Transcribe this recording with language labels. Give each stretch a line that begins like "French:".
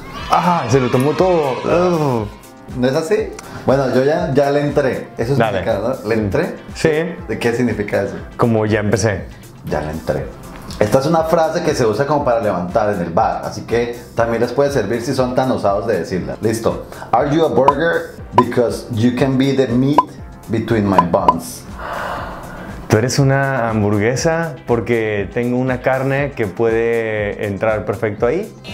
Spanish: ¡Ah! Se lo tomó todo. ¿No es así? Bueno, yo ya le entré. Eso significa, ¿no? ¿Le entré? Sí. ¿De qué significa eso? Como ya empecé. Ya le entré. Esta es una frase que se usa como para levantar en el bar. Así que también les puede servir si son tan osados de decirla. Listo.
English: Are you a burger? Because you can be the meat between my buns.
Spanish: Tú eres una hamburguesa porque tengo una carne que puede entrar perfecto ahí.